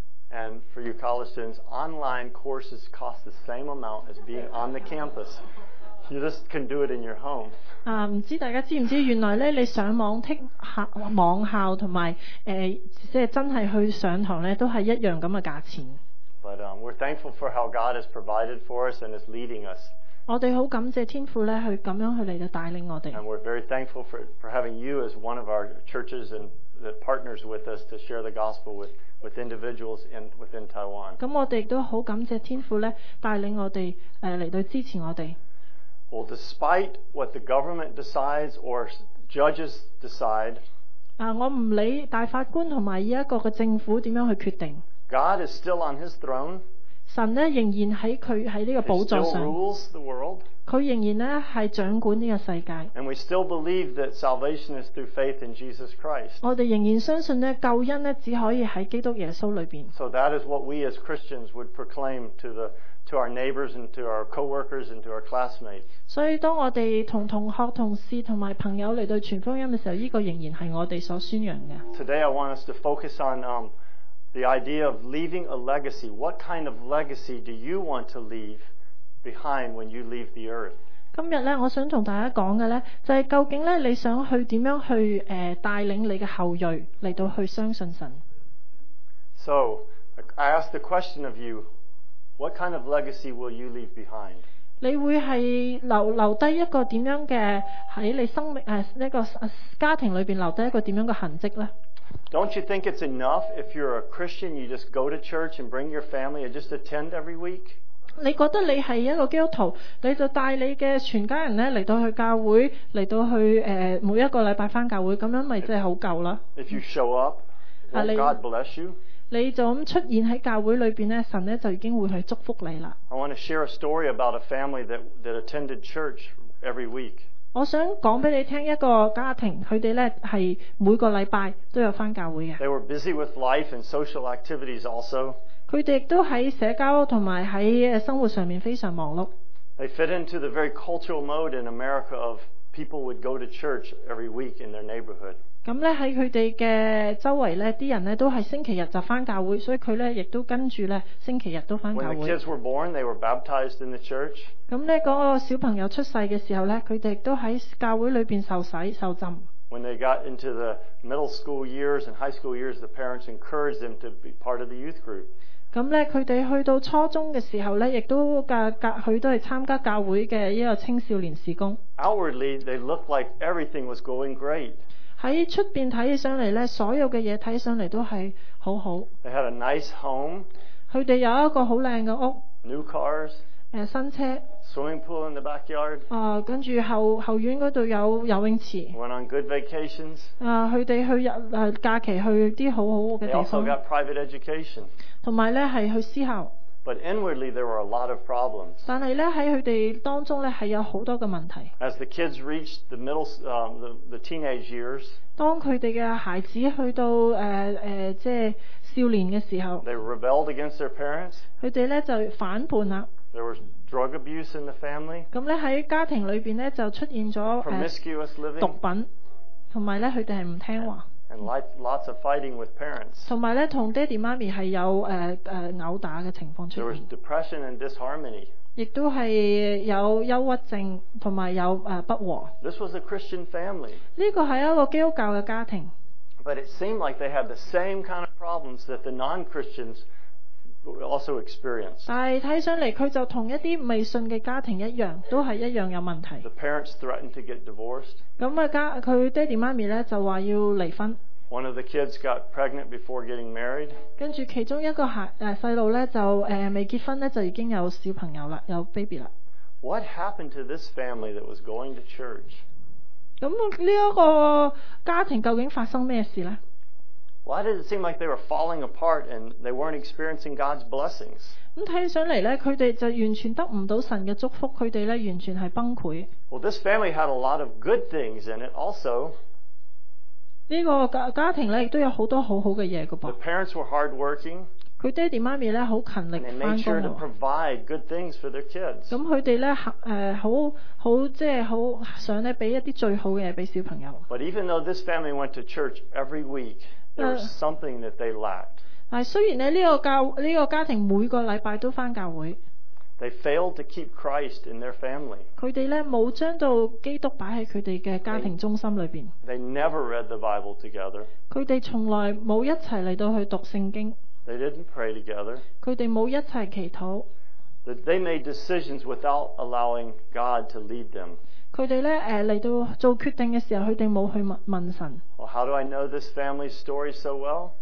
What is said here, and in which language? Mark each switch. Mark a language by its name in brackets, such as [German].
[English] And for you college students, online courses cost the same amount as being on the campus. You just can do it in your home. [Cantonese] 唔知大家知唔知？原來咧，你上網聽網校同埋即係真係去上堂咧，都係一樣咁嘅價錢。 [English] But we're thankful for how God has provided for us and is leading us. [Cantonese] 我哋好感謝天父咧，去咁樣去嚟到帶領我哋。 [English] And we're very thankful for having you as one of our churches and that partners with us to share the gospel with. With individuals in within Taiwan. [Cantonese] 咁我哋都好感謝天父咧，帶領我哋嚟到支持我哋。 [English] Well, despite what the government decides or judges decide. [Cantonese] 我唔理大法官同埋依一個嘅政府點樣去決定。 [English] God is still on His throne. [Cantonese] 神咧仍然喺佢喺呢個寶座上。 [English] He still rules the world. [Cantonese] 佢仍然咧係掌管呢個世界。 [English] And we still believe that salvation is through faith in Jesus Christ. [Cantonese] 我哋仍然相信咧救恩咧只可以喺基督耶穌裏邊。 [English] So that is what we as Christians would proclaim to our neighbors and to our co-workers and to our classmates. [Cantonese] 所以當我哋同同學、同事同埋朋友嚟到傳福音嘅時候，依個仍然係我哋所宣揚嘅。 [English] Today I want us to focus on the idea of leaving a legacy. What kind of legacy do you want to leave behind when you leave the earth? [Cantonese] 今日咧，我想同大家讲嘅咧，就系究竟咧，你想去点样去带领你嘅后裔嚟到去相信神。 [English] So I ask the question of you: What kind of legacy will you leave behind? [Cantonese] 你会系留低一个点样嘅喺你生命一个家庭里边留低一个点样嘅痕迹咧？ [English] Don't you think it's enough if you're a Christian, you just go to church and bring your family and just attend every week? [Cantonese] 你覺得你係一個基督徒，你就帶你嘅全家人咧嚟到去教會，嚟到去每一個禮拜翻教會，咁樣咪真係好夠啦。 [English] If you show up, let God bless you. [Cantonese] 你就咁出現喺教會裏邊咧，神咧就已經會去祝福你啦。 [English] I want to share a story about a family that attended church every week. [Cantonese] 我想讲俾你听一个家庭，佢哋咧系每个礼拜都有翻教会嘅。 [English] They were busy with life and social activities also. [Cantonese] 佢哋都喺社交同埋喺生活上面非常忙碌。 [English] They fit into the very cultural mode in America of people would go to church every week in their neighborhood. [Cantonese] 咁咧喺佢哋嘅周围咧，啲人咧都系星期日就翻教会，所以佢咧亦都跟住咧星期日都翻教会。 [English] When the kids were born, they were baptized in the church. [Cantonese] 咁咧，嗰個小朋友出世嘅時候咧，佢哋都喺教會裏邊受洗受浸。 [English] When they got into the middle school years and high school years, the parents encouraged them to be part of the youth group. [Cantonese] 咁咧，佢哋去到初中嘅時候咧，亦都佢都係參加教會嘅一個青少年事工。 [English] Outwardly, they looked like everything was going great. [Cantonese] 喺出邊睇起上嚟咧，所有嘅嘢睇上嚟都係好好。 [English] They had a nice home. [Cantonese] 佢哋有一個好靚嘅屋。 [English] New cars. [Cantonese] 新車 [English] swimming pool in the backyard. [Cantonese] 跟住後院嗰度有游泳池。 [English] Went on good vacations. [Cantonese] 佢哋去假期去啲好好嘅地方。 [English] They also got private education. [Cantonese] 同埋咧係去私校。 [English] But inwardly there were a lot of problems. [Cantonese] 但係咧喺佢哋當中咧係有好多嘅問題。 [English] As the kids reached the middle, the teenage years. [Cantonese] 當佢哋嘅孩子去到即係少年嘅時候。 [English] They rebelled against their parents. [Cantonese] 佢哋咧就反叛啦。 [English] There was drug abuse in the family. [Cantonese] 咁咧喺家庭裏邊咧就出現咗 [English] promiscuous living, [Cantonese] 毒品，同埋咧佢哋係唔聽話。 [English] And lots of fighting with parents. [Cantonese] 同埋咧同爹哋媽咪係有毆打嘅情況出現。 [English] There was depression and disharmony. [Cantonese] 亦都係有憂鬱症同埋有不和。 [English] This was a Christian family. [Cantonese] 呢個係一個基督教嘅家庭。 [English] But it seemed like they had the same kind of problems that the non-Christians. Also experienced. [Cantonese] 但系睇上嚟，佢就同一啲未信嘅家庭一样，都系一样有问题。 [English] The parents threatened to get divorced. [Cantonese] 咁啊，佢爹哋妈咪咧就话要离婚。 [English] One of the kids got pregnant before getting married. [Cantonese] 跟住其中一个细路咧就未结婚咧就已经有小朋友啦，有 baby 啦。 [English] What happened to this family that was going to church? [Cantonese] 咁呢一個家庭究竟發生咩事咧？ [English] Why did it seem like they were falling apart and they weren't experiencing God's blessings? [Cantonese] 咁睇起上嚟咧，佢哋就完全得唔到神嘅祝福，佢哋咧完全係崩潰。 [English] Well, this family had a lot of good things in it, also. [Cantonese] 呢個家庭咧亦都有好多好好嘅嘢嘅噃。 [English] The parents were hardworking. [Cantonese] 佢爹哋媽咪咧好勤力翻工。 [English] And they made sure to provide good things for their kids. [Cantonese] 咁佢哋咧好想咧俾一啲最好嘅嘢俾小朋友。 [English] But even though this family went to church every week. There was something that they lacked. [Cantonese] 但雖然呢個家庭每個禮拜都翻教會， [English] they failed to keep Christ in their family. [Cantonese] 佢哋咧冇將到基督擺喺佢哋嘅家庭中心裏邊。 [English] They never read the Bible together. [Cantonese] 佢哋從來冇一齊嚟到去讀聖經。 [English] They didn't pray together. [Cantonese] 佢哋冇一齊祈禱。 [English] They made decisions without allowing God to lead them. [Cantonese] 佢哋咧嚟到做決定嘅時候，佢哋冇去問神。 [English] Well, how do I know this family's story so well?